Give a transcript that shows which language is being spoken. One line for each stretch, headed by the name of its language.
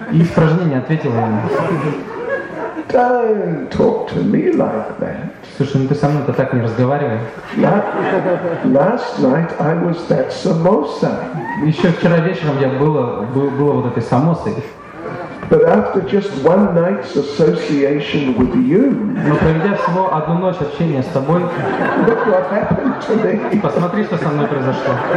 Russian: И испражнение ответило ему:
English: "Don't talk to me like that."
Russian: Слушай, ну ты со мной-то так не разговаривай.
English: Last night I was that samosa.
Russian: Еще вчера вечером я было вот этой самосой.
English: But after just one night's association with you,
Russian: но проведя всего одну ночь общения с тобой,
English: look what happened to me.
Russian: Посмотри, что со мной произошло.